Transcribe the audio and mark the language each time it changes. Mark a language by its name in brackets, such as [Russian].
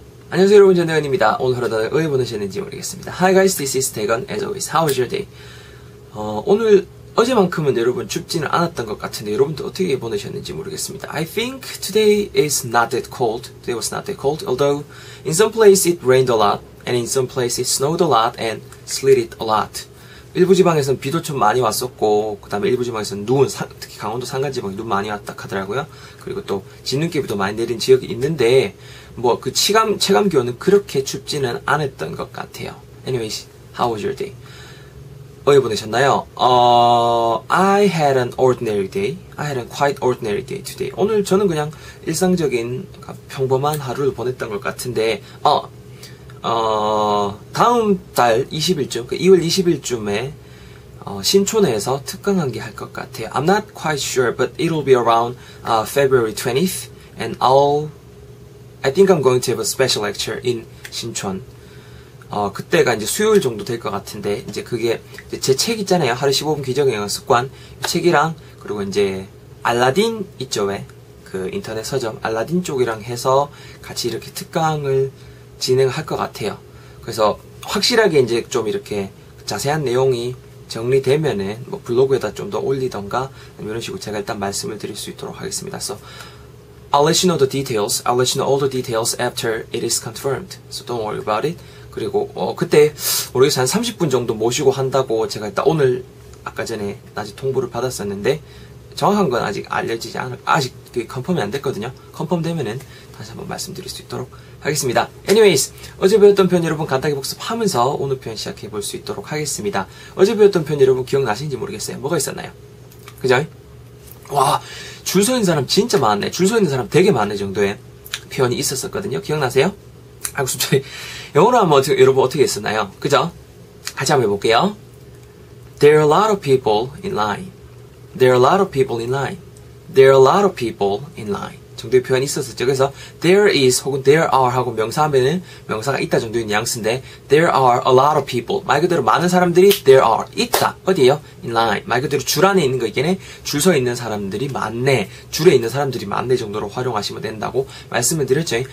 [Korean] 안녕하세요 여러분, 전대건입니다. 오늘 하루 다들 어디 보내셨는지 모르겠습니다. [English] Hi guys, this is 대건. As always, how was your day? [Korean] 오늘 어제만큼은 여러분 춥지는 않았던 것 같은데 여러분도 어떻게 보내셨는지 모르겠습니다. [English] I think today is not that cold. Today was not that cold. Although in some places it rained a lot and in some places it snowed a lot and slitted a lot. [Korean] 일부 지방에서는 비도 좀 많이 왔었고 그 다음에 일부 지방에서는 눈, 특히 강원도 산간 지방에 눈 많이 왔다 하더라고요. 그리고 또 진눈깨비도 많이 내린 지역이 있는데 뭐 그 체감 기온은 그렇게 춥지는 않았던 것 같아요. [English] Anyways, how was your day? [Korean] 어디 보내셨나요? [English] I had an ordinary day. I had a quite ordinary day today. [Korean] 오늘 저는 그냥 일상적인 평범한 하루를 보냈던 것 같은데 다음 달 20일쯤, 그 2월 20일쯤에 신촌에서 특강 한 게 할 것 같아요. [English] I'm not quite sure, but it'll be around February 20th, and I think I'm going to have a special lecture in 신촌. [Korean] 그때가 이제 수요일 정도 될 것 같은데 이제 그게 이제 제 책 있잖아요. 하루 15분 기적의 영어 습관 책이랑 그리고 이제 알라딘 있죠 왜? 그 인터넷 서점 알라딘 쪽이랑 해서 같이 이렇게 특강을 진행할 것 같아요. 그래서 확실하게 이제 좀 이렇게 자세한 내용이 정리되면은 뭐 블로그에다 좀 더 올리던가 이런 식으로 제가 일단 말씀을 드릴 수 있도록 하겠습니다. [English] So I'll let you know the details. I'll let you know all the details after it is confirmed. So don't worry about it. [Korean] 그리고 그때 모르겠어요. 한 30분 정도 모시고 한다고 제가 일단 오늘 아까 전에 낮에 통보를 받았었는데 정확한 건 아직 알려지지 않을 아직 그 컨펌이 안 됐거든요. 컨펌 되면은 다시 한번 말씀드릴 수 있도록 하겠습니다. [English] Anyways, [Korean] 어제 배웠던 표현 여러분 간단하게 복습하면서 오늘 표현 시작해 볼 수 있도록 하겠습니다. 어제 배웠던 표현 여러분 기억나시는지 모르겠어요. 뭐가 있었나요? 그죠? 와, 줄 서 있는 사람 진짜 많네. 줄 서 있는 사람 되게 많네 정도의 표현이 있었었거든요. 기억나세요? 아이고, 갑자기 영어로 한번 여러분 어떻게 했었나요? 그죠? 같이 한번 해볼게요. [English] There are a lot of people in line. There are a lot of people in line. There are a lot of people in line. [Korean] 정도의 표현이 있었었죠. 그래서 there is 혹은 there are 하고 명사하면은 명사가 있다 정도의 뉘앙스인데 [English] there are a lot of people. [Korean] 말 그대로 많은 사람들이 there are 있다. 어디에요? [English] In line. [Korean] 말 그대로 줄 안에 있는 거 있겠네. 줄 서 있는 사람들이 많네. 줄에 있는 사람들이 많네 정도로 활용하시면 된다고 말씀을 드렸죠.